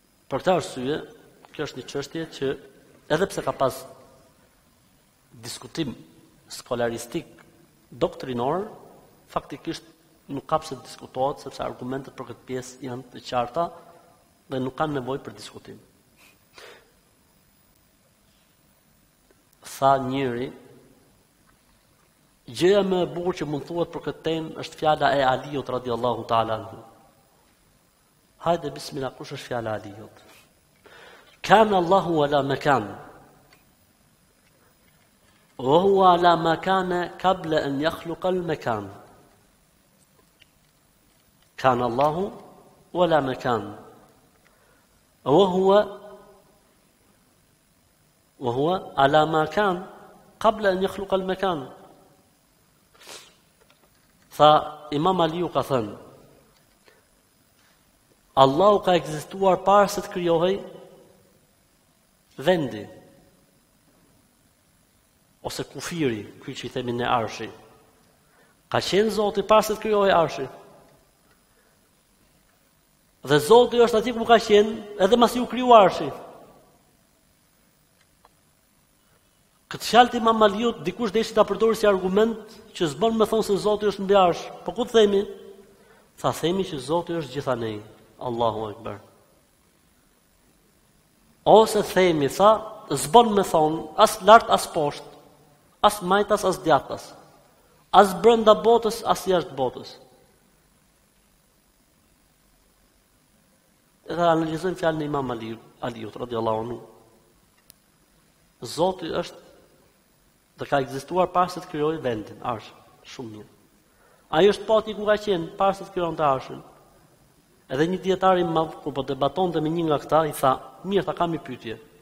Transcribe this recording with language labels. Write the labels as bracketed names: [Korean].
[Albanian] Për këtë arsye, kjo është një çështje që edhe pse ka pas diskutim skolaristik doktrinor, faktikisht nuk ka pse të diskutohet sepse argumentet për këtë pjesë janë të qarta dhe nuk kanë nevojë për diskutim. Tha njëri: "Gjëja më e bukur që mund thuhet për këtë temë është fjala e Aliut radiallahu ta'ala anhu." Hajde bismillah, kush është fjala e Aliut? [Arabic] كان الله ولا مكان، وهو لا مكان قبل أن يخلق المكان. كان الله ولا مكان، وهو على ما كان قبل أن يخلق المكان. فإمام علي قال: [Albanian] الله ka ekzistuar para se të krijohej vendi ose kufiri, kjo që i themi ne arshi. Ka qenë Zoti para se të krijohej arshi. Dhe Zoti është aty ku ka qenë edhe masi u kriju arshi. Këtë fjalë të Imam Aliut dikush deshi ta përdorë si argument që s'bën me thonë se Zoti është mbi arsh. Po ku të themi? Tha themi që Zoti është gjithanej. Allahu Akbar. Ose themi, tha, zbon me thonë, as lart, as poshtë, as majtas, as djathtas, as brenda botës, as jashtë botës. Edhe analizojmë fjalën e Imam Aliut, radiallahu anhu. Zoti është, dhe ka ekzistuar para se të krijojë vendin, arsh, shumë mirë. Ai është po aty ku ka qenë, para se të krijonte arshin. Edhe një dietar i madh kur po debatonte me një nga këta i tha: "Mirë, ta kam një pyetje.